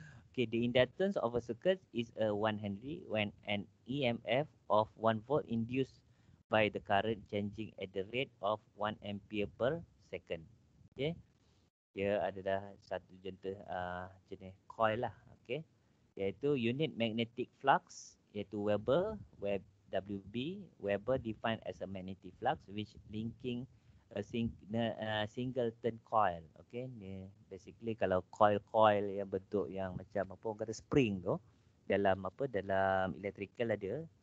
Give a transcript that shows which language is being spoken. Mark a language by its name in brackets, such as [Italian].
[English] Okey, the inductance of a circuit is a 1 Henry when an EMF of 1 volt induced by the current changing at the rate of 1 ampere per second. [Malay] Okey, dia adalah satu jenis coil lah. [English] Okey, iaitu unit magnetic flux, iaitu Weber, WB, Weber defined as a magnetic flux which linking a single turn coil. [Malay] Okay, ni basically kalau coil-coil yang bentuk yang macam apa orang kata spring tu, dalam apa, dalam electrical ada.